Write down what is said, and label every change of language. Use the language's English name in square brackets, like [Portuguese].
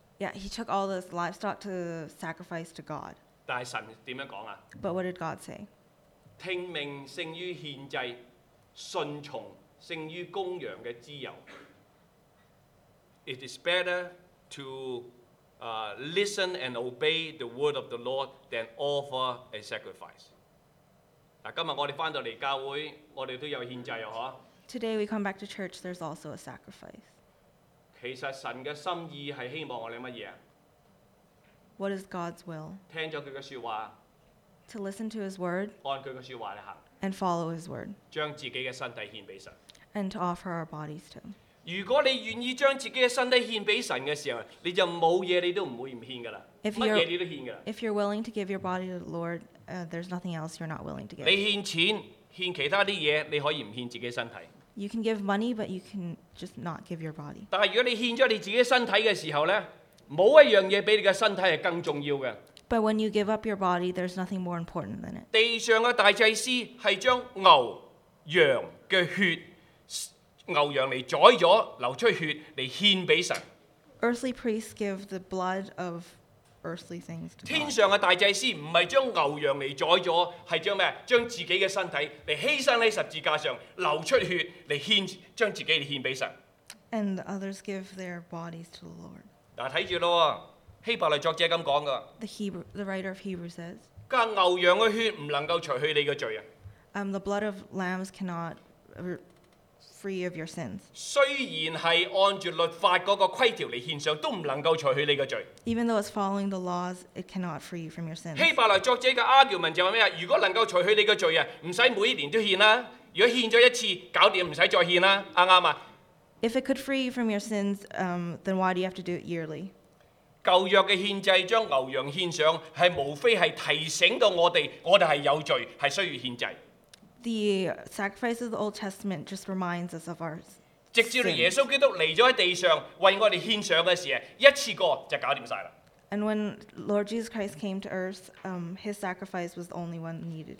[English] Yeah, he took all the livestock to sacrifice to God. [Cantonese] 但系神点样讲啊 [English] ？But what did God say? [Cantonese] 听命胜于献祭，顺从胜于公羊嘅自由。 [English] It is better to listen and obey the word of the Lord than offer a sacrifice. [Cantonese] 嗱，今日我哋翻到嚟教会，我哋都有献祭啊，嗬 [English] ？Today we come back to church. There's also a sacrifice. [Cantonese] 其实神嘅心意系希望我哋乜嘢 [English] ？What is God's will? [Cantonese] 听咗佢嘅说话。 [English] To listen to His word. [Cantonese] 按佢嘅说话嚟行。 [English] And follow His word. [Cantonese] 将自己嘅身体献俾神。 [English] And to offer our bodies to Him. [Cantonese] 如果你願意將自己嘅身體獻俾神嘅時候，你就冇嘢你都唔會唔獻噶啦，乜嘢你都獻噶啦。 [English] If you're willing to give your body to the Lord, there's nothing else you're not willing to give. [Cantonese] 你獻錢、獻其他啲嘢，你可以唔獻自己身體。 [English] You can give money, but you can just not give your body. [Cantonese] 但係如果你獻咗你自己身體嘅時候咧，冇一樣嘢比你嘅身體係更重要嘅。 [English] But when you give up your body, there's nothing more important than it. [Cantonese] 地上嘅大祭司係將牛羊嘅血。牛羊嚟宰咗，流出血嚟献俾神。 [English] Earthly priests give the blood of earthly things to God. [Cantonese] 天上嘅大祭司唔系将牛羊嚟宰咗，系将咩？将自己嘅身体嚟牺牲喺十字架上，流出血嚟献，将自己嚟献俾神。 [English] And others give their bodies to the Lord. [Cantonese] 嗱，睇住咯，希伯来作者咁讲噶。 [English] The writer of Hebrews says. [Cantonese] 加牛羊嘅血唔能够除去你嘅罪啊。 [English] The blood of lambs cannot. Free of your sins. [Cantonese] 雖然係按住律法嗰個規條嚟獻上，都唔能夠除去你嘅罪。 [English] Even though it's following the laws, it cannot free you from your sins. [Cantonese] 希伯來作者嘅 argument 就係咩啊？如果能夠除去你嘅罪啊，唔使每年都獻啦。如果獻咗一次，搞掂，唔使再獻啦，啱唔啱啊 [English] ？If it could free you from your sins, then why do you have to do it yearly? [Cantonese] 舊約嘅獻祭將牛羊獻上，係無非係提醒到我哋，我哋係有罪，係需要獻祭。 [English] The sacrifice of the Old Testament just reminds us of ours. [Cantonese] 直至耶稣基督嚟咗喺地上为我哋献上嘅事，一次过就搞掂晒啦。 [English] And when Lord Jesus Christ came to earth, his sacrifice was the only one needed.